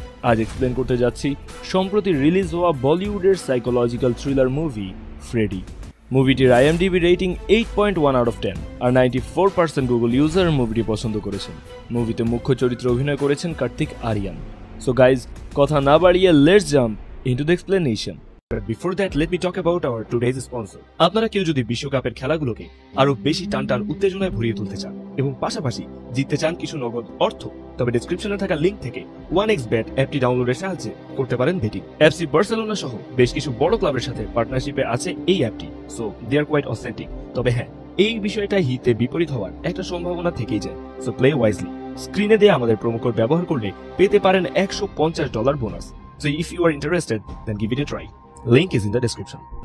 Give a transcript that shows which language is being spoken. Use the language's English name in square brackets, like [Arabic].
[Bangla] আজ এক্সপ্লেন করতে যাচ্ছি সম্প্রতি রিলিজ হওয়া বলিউডের psychological thriller movie Freddie. মুভিটির IMDb rating 8.1 [English] out of 10, [Bangla] আর 94% Google user মুভিটি পছন্দ করেছেন। মুভিতে মুখ্য চরিত্রে অভিনয় করেছেন কার্তিক আরিয়ান। [English] so guys, [Bangla] কথা না বাড়িয়ে [English] Let's jump into the explanation. But before that, let me talk about our today's sponsor. [Bangla] আপনারা কেউ যদি বিশ্বকাপের খেলাগুলোকে আরো বেশি টানটান উত্তেজনায় ভরিয়ে তুলতে চান এবং পাশাপাশি জিততে চান কিছু নগদ অর্থ, তবে ডেসক্রিপশনে থাকা লিংক থেকে 1xbet অ্যাপটি ডাউনলোডের সাহায্যে করতে পারেন বেটিং। এফসি বার্সেলোনা সহ বেশ কিছু বড় ক্লাবের সাথে পার্টনারশিপে আছে এই অ্যাপটি, [English] So they are quite authentic. [Bangla] তবে হ্যাঁ, এই বিষয়টা হিতে বিপরীত হওয়ার একটা সম্ভাবনা থেকেই যায়, [English] So play wisely. [Bangla] স্ক্রিনে দেয়া আমাদের প্রোমো কোড ব্যবহার করলে পেতে পারেন $150 bonus. [English] So if you are interested, then give it a try. Link is in the description.